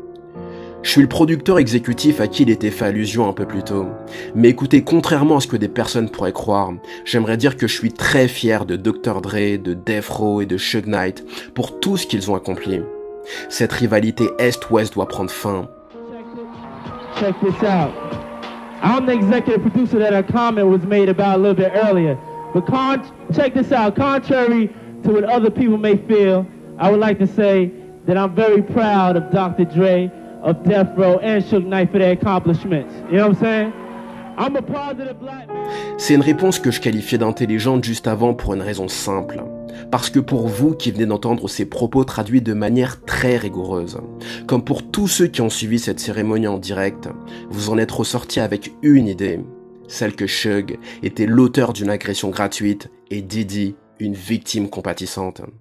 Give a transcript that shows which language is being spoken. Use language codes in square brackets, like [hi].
[fr] « Je suis le producteur exécutif à qui il était fait allusion un peu plus tôt, mais écoutez, contrairement à ce que des personnes pourraient croire, j'aimerais dire que je suis très fier de Dr. Dre, de Death Row et de Shug Knight pour tout ce qu'ils ont accompli. » Cette rivalité Est-Ouest doit prendre fin. [en] Check this out. I'm the executive producer that a comment was made about a little bit earlier. But check this out. Contrary to what other people may feel, I would like to say that I'm very proud of Dr. Dre, of Death Row and Shug Knight for their accomplishments. You know what I'm saying? I'm a positive black man. [fr] C'est une réponse que je qualifiais d'intelligente juste avant pour une raison simple. Parce que pour vous qui venez d'entendre ces propos traduits de manière très rigoureuse, comme pour tous ceux qui ont suivi cette cérémonie en direct, vous en êtes ressortis avec une idée, celle que Shug était l'auteur d'une agression gratuite et Diddy une victime compatissante.